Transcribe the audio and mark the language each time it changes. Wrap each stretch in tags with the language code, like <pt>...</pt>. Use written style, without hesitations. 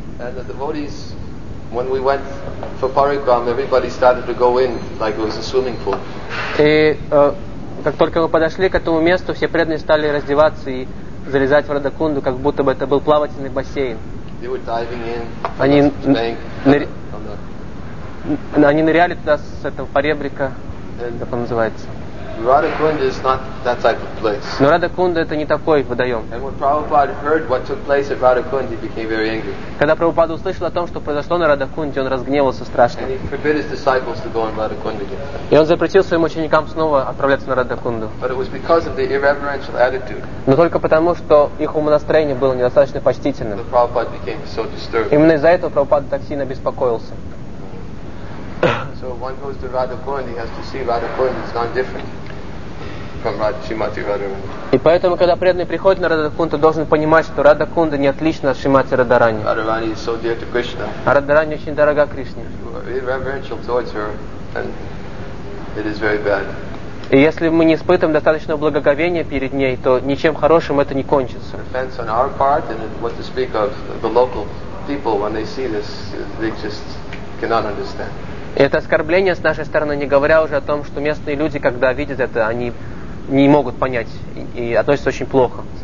<en>And the devotees, when we went for parikram, everybody started to go in like it was a swimming pool.</en> <ru>И как только мы подошли к этому месту, все преданные стали раздеваться и залезать в Радхакунду, как будто бы это был плавательный бассейн.</ru> <en>They were diving in from the bank.</en> <ru>Они ныряли туда с этого поребрика, and как он называется.</ru> <en>Radhakunda is not that type of place.</en> <ru>Но Радхакунда это не такой водоем.</ru> <en>And when Prabhupada heard what took place at Radhakunda, he became very angry.</en> <ru>Когда Прабхупада услышал о том, что произошло на Радхакунде, он разгневался страшно.</ru> <en>And he forbid his disciples to go on Radhakunda again.</en> <ru>И он запретил своим ученикам снова отправляться на Радхакунду.</ru> <en>But it was because of the irreverential attitude.</en> <ru>Но только потому, что их умонастроение было недостаточно почтительным.</ru> <en>The Prabhupada became so disturbed.</en> <ru>Именно из-за этого Прабхупада так сильно беспокоился.</ru> <en>So if one goes to Radhakund, he has to see Radhakund is not different from Shrimati Radharani.</en> <ru>И поэтому, когда преданный приходит на Радхакунду, должен понимать, что Радхакунда не отлична от Шримати Радхарани.</ru> <en>Радхарани is so dear to Krishna.</en> <ru>А Радхарани очень дорога Кришне.</ru> <en>Irreverential towards her, and it is very bad.</en> <ru>И если мы не испытываем достаточного благоговения перед ней, то ничем хорошим это не кончится.</ru> <en>Depends on our part, and what to speak of the local people when they see this, they just cannot understand.</en> <ru>Это оскорбление с нашей стороны, не говоря уже о том, что местные люди, когда видят это, они не могут понять и относятся очень плохо.</ru>